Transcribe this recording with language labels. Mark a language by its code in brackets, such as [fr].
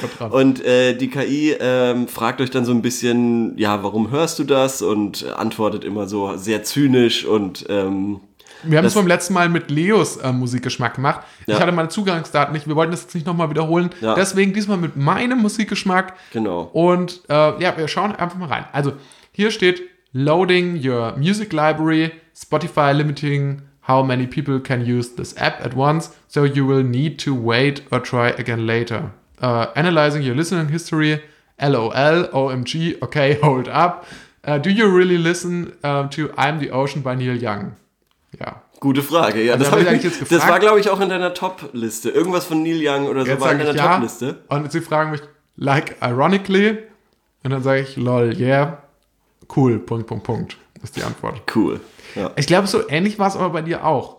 [de] Und die KI fragt euch dann so ein bisschen, ja, warum hörst du das, und antwortet immer so sehr zynisch und wir haben es beim letzten Mal mit Leos Musikgeschmack gemacht. Ja. Ich hatte meine Zugangsdaten nicht. Wir wollten das jetzt nicht nochmal wiederholen. Ja. Deswegen diesmal mit meinem Musikgeschmack. Genau. Und wir schauen einfach mal rein. Also hier steht: [en] Loading your music library. Spotify limiting how many people can use this app at once. So you will need to wait or try again later. Analyzing your listening history. LOL. OMG. Okay, hold up. Do you really listen to I'm the Ocean by Neil Young? [de] Ja. Gute Frage. Ja, das habe ich eigentlich jetzt gefragt. Das war, glaube ich, auch in deiner Top-Liste. Irgendwas von Neil Young oder so war in deiner Top-Liste. Und sie fragen mich, [en] like ironically, [de] und dann sage ich, [en] lol, yeah, cool, [de] Punkt, Punkt, Punkt, ist die Antwort. Cool, ja. Ich glaube, so ähnlich war es aber bei dir auch.